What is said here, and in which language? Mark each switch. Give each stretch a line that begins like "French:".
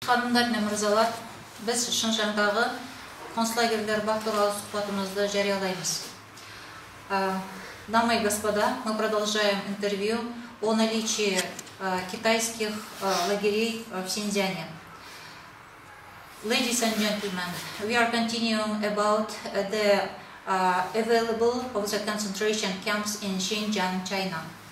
Kazakh: Қанымдар мен мырзалар, біз Шыңжаңдағы концлагерьлер бар туралы сұхбатымызды жариялаймыз.
Russian: Дамы и господа, мы продолжаем интервью о наличии китайских лагерей в Синьцзяне.
English: Ladies and gentlemen, we are continuing about the available of the concentration camps in Xinjiang, China.